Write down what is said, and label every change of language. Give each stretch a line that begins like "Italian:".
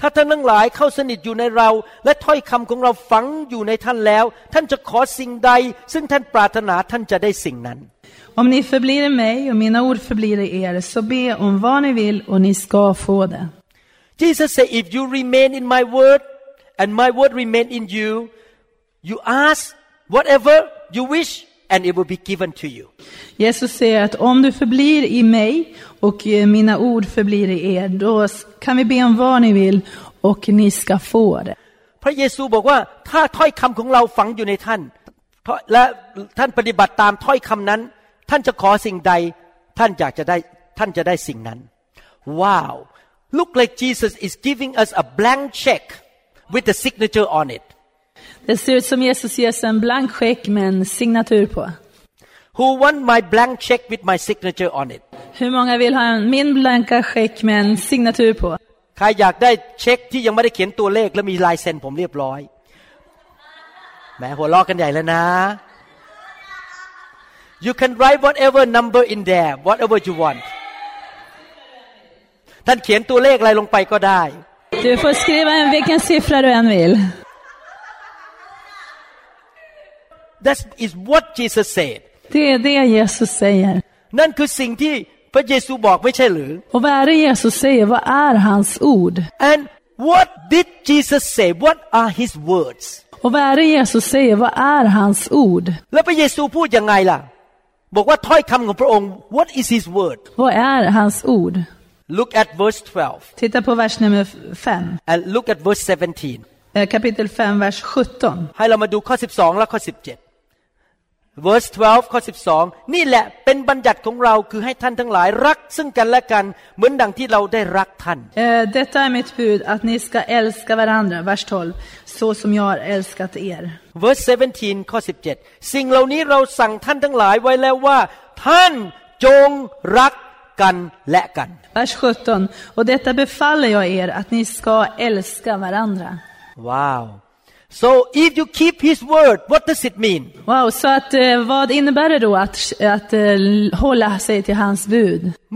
Thai: ถ้าท่านทั้งหลายเข้าสนิทอยู่ในเราและถ้อยคําของเราฝังอยู่ในท่านแล้วท่านจะขอสิ่งใดซึ่งท่านปรารถนาท่านจะได้สิ่งนั้น
Swedish: Om ni förblir i mig och mina ord förblir i er så be om vad ni vill och ni ska få det
English: Jesus said if you remain in my word and my word remain in you ask whatever you wish and it will be given to you
Swedish: Jesus säger att om du förblir i migOch mina ord förblir i er. Då kan vi be om vad ni vill och ni ska få det.
Thai: พระเยซูบอกว่าถ้าถ้อยคำของเราฝังอยู่ในท่านและท่านปฏิบัติตามถ้อยคำนั้นท่านจะขอสิ่งใดท่านอยากจะได้ท่านจะได้สิ่งนั้น
English: Wow. Look like Jesus is giving us a blank check with the signature on it.
Swedish: Det ser ut som Jesus ger en blank check med en signatur på.
English: Who want my blank check with my signature on it?
Swedish: Hur många vill ha min blanka check med en signatur på? Kan jag få en check som jag inte har skrivit siffror och med lajsen på mig? Men hur lågt kan jag lämna?
English: You can write whatever number in there, whatever you want.
Swedish: Du kan skriva siffror eller lägga på dig. Du får skriva en vilken siffra du än vill.
English: That is what Jesus said.
Swedish: Det är det Jesus säger.
Thai: นั่นคือสิ่งที่พระเยซูบอกไม่ใช่หรือ
Swedish: Och vad är det Jesus säger? Vad är hans ord?
English: And what did Jesus say? What are his words?
Swedish: Och vad är det Jesus säger? Vad är hans ord?
Thai: แล้วพระเยซูพูดยังไงล่ะบอกว่าถ้อยคำของพระองค์
English: What is his word?
Swedish: Vad är hans ord?
English: Look at verse 12.
Swedish: Titta på vers nummer 5.
English: And look at verse 17.
Swedish: Kapitel 5 vers 17.
Thai: ให้เรามาดูข้อ12และข้อ17. verse 12ข้อ12นี่แหละเป็นบัญญัติของเราคือให้ท่านทั้งหลายรักซึ่งกันและกันเหมือนดังที่เราได้รักท่าน
Swedish: detta är mitt bud att ni ska älska varandra vers 12 så som jag har älskat er
Thai: verse 17ข้อ17สิ่งเหล่านี้เราสั่งท่านทั้งหลายไว้แล้วว่าท่านจงรักกันและกัน
Swedish: vers 17 och detta befaller jag er att ni ska älska varandra
English: wowSo if you keep his word, what does it mean?
Swedish: Wow, så att vad innebär det då att hålla sig till hans bud?